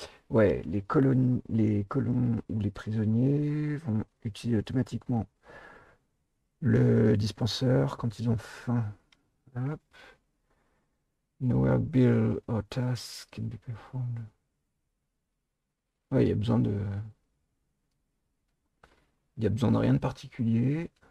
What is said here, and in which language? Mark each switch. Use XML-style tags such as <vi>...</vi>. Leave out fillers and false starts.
<fr>Ouais, les colons ou les prisonniers vont utiliser automatiquement le dispenseur quand ils ont faim. Hop.</fr> <en>No work bill or task can be performed.</en> <fr>Ouais, il y a besoin de rien de particulier.</fr>